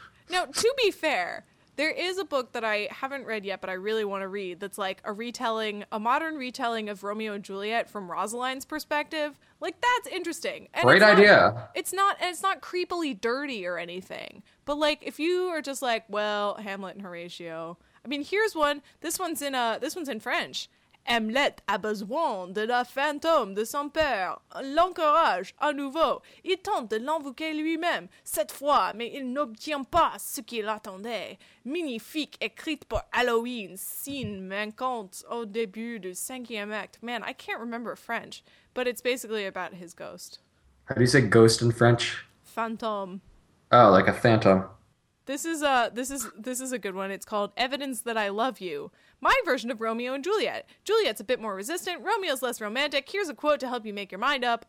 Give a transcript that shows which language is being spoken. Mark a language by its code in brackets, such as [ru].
[en] Now, to be fair, there is a book that I haven't read yet, but I really want to read, that's like a modern retelling of Romeo and Juliet from Rosaline's perspective. Like, that's interesting. And great idea. It's not creepily dirty or anything. But like, if you are just like, well, Hamlet and Horatio. I mean, here's one. This one's in French. [fr] Hamlet a besoin de la fantôme de son père. L'encourage à nouveau. Il tente de l'invoquer lui-même. Cette fois, mais il n'obtient pas ce qu'il attendait. Magnifique écrite pour Halloween. Scène manquante au début du cinquième acte. [en] Man, I can't remember French, but it's basically about his ghost. How do you say ghost in French? [fr] Fantôme. [en] Oh, like a phantom. This is a good one. It's called Evidence That I Love You. My version of Romeo and Juliet. Juliet's a bit more resistant. Romeo's less romantic. Here's a quote to help you make your mind up.